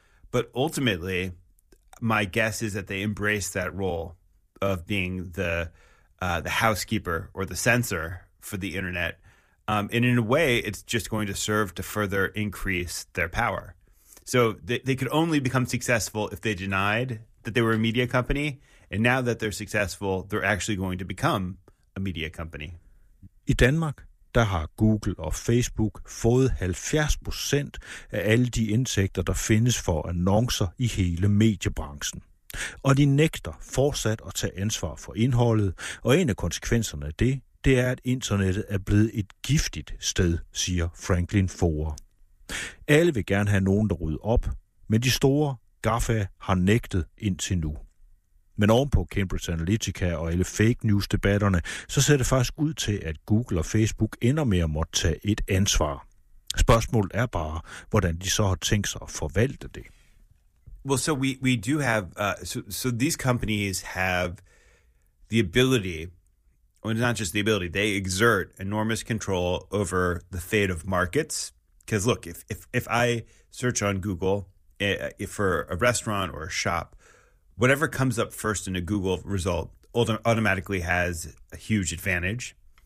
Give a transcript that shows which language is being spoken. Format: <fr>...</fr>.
<en>But ultimately, my guess is that they embrace that role of being the housekeeper or the censor for the internet. And in a way, it's just going to serve to further increase their power. So they could only become successful if they denied that they were a media company, and now that they're successful, they're actually going to become a media company.</en> <da>I Danmark, der har Google og Facebook fået 70% af alle de indtægter, der findes for annoncer i hele mediebranchen. Og de nægter fortsat at tage ansvar for indholdet, og en af konsekvenserne af det, det er, at internettet er blevet et giftigt sted, siger Franklin Foer. Alle vil gerne have nogen, der rydder op, men de store GAFA har nægtet indtil nu. Men ovenpå Cambridge Analytica og alle fake news-debatterne, så ser det faktisk ud til, at Google og Facebook ender med at måtte tage et ansvar. Spørgsmålet er bare, hvordan de så har tænkt sig at forvalte det.</da> <en>Well, so we do have, so these companies have the ability, well, it's not just the ability, they exert enormous control over the fate of markets. Because look, if I search on Google for a restaurant or a shop, whatever comes up first in a Google result automatically has a huge advantage.</en>